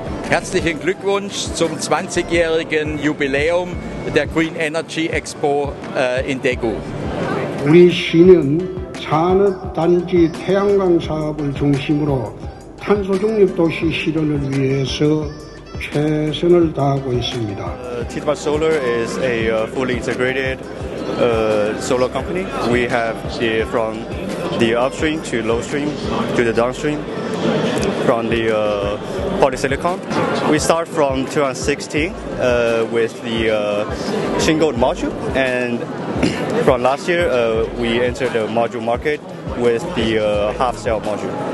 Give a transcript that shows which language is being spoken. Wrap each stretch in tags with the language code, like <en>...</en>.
<de>Herzlichen Glückwunsch zum 20-jährigen Jubiläum der Green Energy Expo in Daegu.</de> <ko>우리 시는 산업단지 태양광 사업을 중심으로 탄소중립 도시 실현을 위해서 최선을 다하고 있습니다.</ko> <en>Tidma Solar is a fully integrated solar company. We have the, from the upstream to low stream to the downstream. From the polysilicon. We start from 2016 with the shingled module, and from last year we entered the module market with the half cell module.</en>